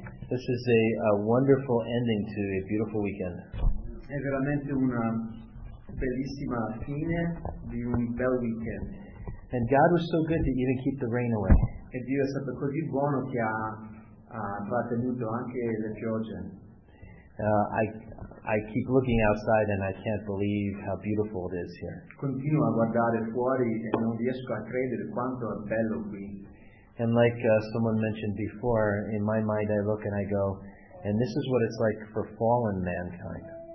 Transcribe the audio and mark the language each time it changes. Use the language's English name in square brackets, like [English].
[English] This is a wonderful ending to a beautiful weekend. [Italian] È veramente una bellissima fine di un bel weekend. [English] And God was so good to even keep the rain away. [Italian] E Dio è stato così buono che ha trattenuto anche le piogge. [English] I keep looking outside and I can't believe how beautiful it is here. [Italian] Continuo a guardare fuori e non riesco a credere quanto è bello qui. [English] And like someone mentioned before, in my mind I look and I go, and this is what it's like for fallen mankind.